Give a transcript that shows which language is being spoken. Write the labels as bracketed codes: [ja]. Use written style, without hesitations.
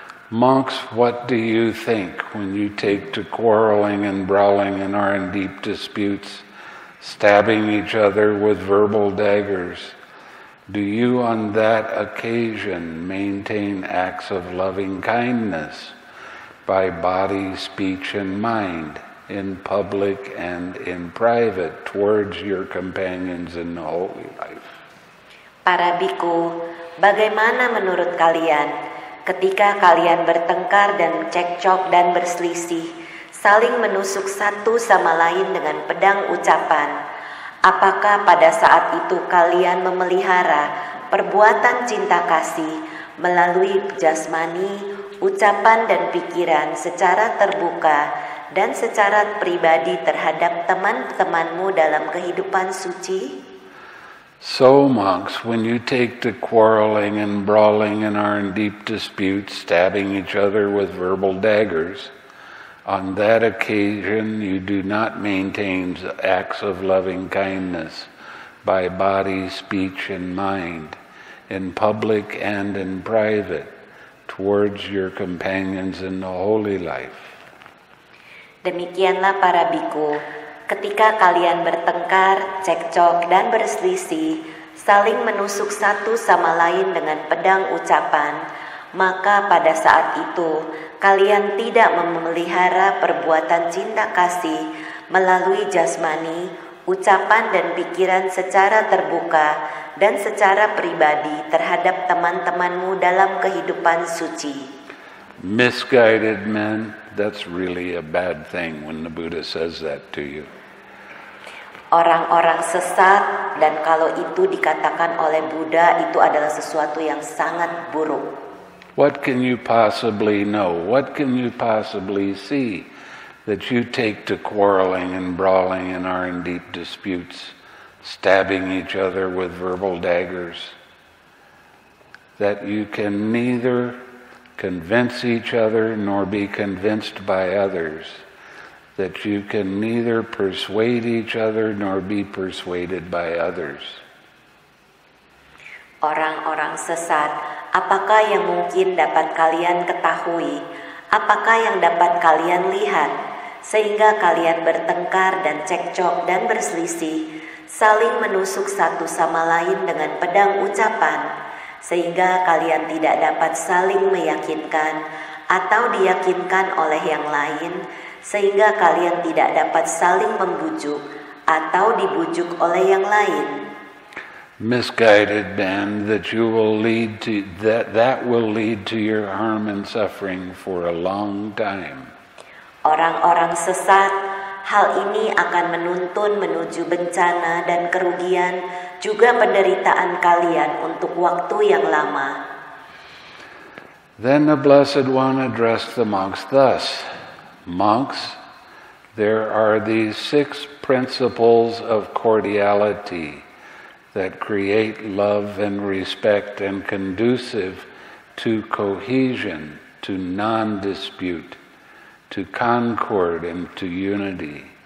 [en] "Monks, what do you think when you take to quarreling and brawling and are in deep disputes, stabbing each other with verbal daggers? Do you on that occasion maintain acts of loving kindness by body, speech, and mind, in public and in private, towards your companions in the holy life?" [id] Para biku, bagaimana menurut kalian ketika kalian bertengkar dan cekcok dan berselisih, saling menusuk satu sama lain dengan pedang ucapan, apakah pada saat itu kalian memelihara perbuatan cinta kasih melalui jasmani, ucapan dan pikiran secara terbuka dan secara pribadi terhadap teman-temanmu dalam kehidupan suci? [en] So, monks, when you take to quarreling and brawling and are in deep dispute, stabbing each other with verbal daggers, on that occasion you do not maintain acts of loving kindness by body, speech, and mind, in public and in private, towards your companions in the holy life. [id] Demikianlah para bhikkhu, ketika kalian bertengkar, cekcok, dan berselisih, saling menusuk satu sama lain dengan pedang ucapan, maka pada saat itu, kalian tidak memelihara perbuatan cinta kasih melalui jasmani, ucapan dan pikiran secara terbuka dan secara pribadi terhadap teman-temanmu dalam kehidupan suci. [en] Misguided men, that's really a bad thing when the Buddha says that to you. [id] Orang-orang sesat, dan kalau itu dikatakan oleh Buddha, itu adalah sesuatu yang sangat buruk. [en] What can you possibly know? What can you possibly see that you take to quarreling and brawling and are in deep disputes, stabbing each other with verbal daggers, that you can neither convince each other nor be convinced by others, that you can neither persuade each other nor be persuaded by others. [id] Orang-orang sesat, apakah yang mungkin dapat kalian ketahui? Apakah yang dapat kalian lihat? Sehingga kalian bertengkar dan cekcok dan berselisih, saling menusuk satu sama lain dengan pedang ucapan, sehingga kalian tidak dapat saling meyakinkan atau diyakinkan oleh yang lain, sehingga kalian tidak dapat saling membujuk atau dibujuk oleh yang lain. [en] Misguided man, that will lead to your harm and suffering for a long time. [id] Orang-orang sesat, hal ini akan menuntun menuju bencana dan kerugian, juga penderitaan kalian untuk waktu yang lama. [en] Then the Blessed One addressed the monks thus: Monks, there are these six principles of cordiality that create love and respect and conducive to cohesion, to non-dispute, to concord and to unity.